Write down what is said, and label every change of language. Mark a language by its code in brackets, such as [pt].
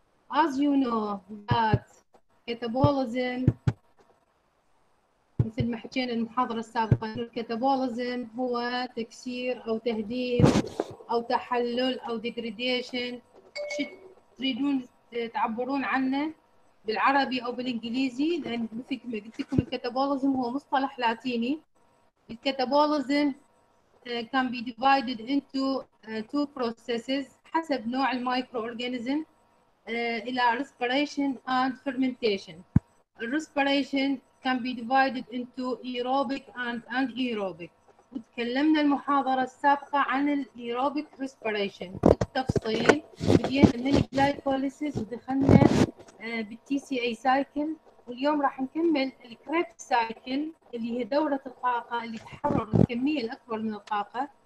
[en] As you know that catabolism [ar] مثل ما حكينا المحاضرة السابقة أن الكتابوليزم هو تكسير أو تهديم أو تحلل أو ديجريديشن، شو تريدون تعبرون عنه بالعربي أو بالإنجليزي؟ لأن مثل ما قلت لكم الكتابوليزم هو مصطلح لاتيني. [en] الكتابوليزم can be divided into two processes [ar] حسب نوع المايكرو أورجانيزم إلى [en] respiration and fermentation. respiration can be divided into aerobic and anaerobic. [ar] وتكلمنا المحاضرة السابقة عن الايروبيك ريسبيريشن بالتفصيل، بدينا من الجلايكوليسيس ودخلنا بالتي سي اي سايكل، واليوم راح نكمل الكريب سايكل اللي هي دورة الطاقة اللي تحرر الكمية الأكبر من الطاقة.